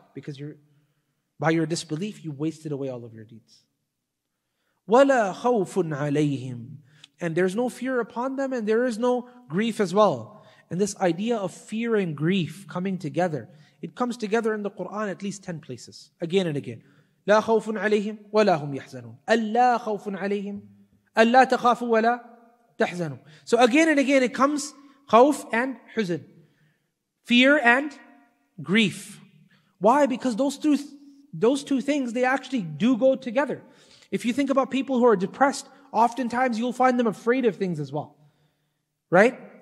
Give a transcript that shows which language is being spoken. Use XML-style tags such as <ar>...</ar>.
<en>Because by your disbelief, you wasted away all of your deeds.</en> <ar>وَلَا خَوْفٌ عَلَيْهِمْ</ar> <en>And there's no fear upon them, and there is no grief as well. And this idea of fear and grief coming together, it comes together in the Quran at least 10 places, again and again.</en> <ar>لا خوف عليهم ولا هم يحزنون. ألا خوف عليهم ألا تخافوا ولا تحزنوا.</ar> <en>So again and again it comes خوف and حزن. Fear and grief. Why? Because those two things, they actually do go together. If you think about people who are depressed, oftentimes you'll find them afraid of things as well. Right?</en>